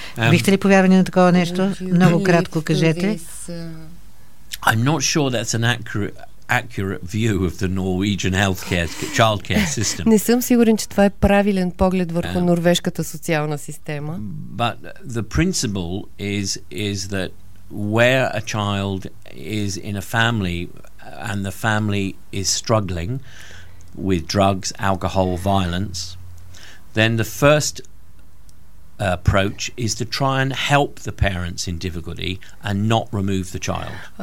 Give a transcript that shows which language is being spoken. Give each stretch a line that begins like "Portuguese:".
Bulgarian: Бихте ли повярвали на такова нещо? Много кратко кажете.
English: I'm not sure that's an accurate accurate view of the Norwegian healthcare child care system.
Bulgarian: Не съм сигурен, че това е правилен поглед върху норвежката социална система.
English: But the principle is that where a child is in a family and the family is struggling with drugs, alcohol, violence, then the first approach is to try and help the parents in difficulty and not remove the child.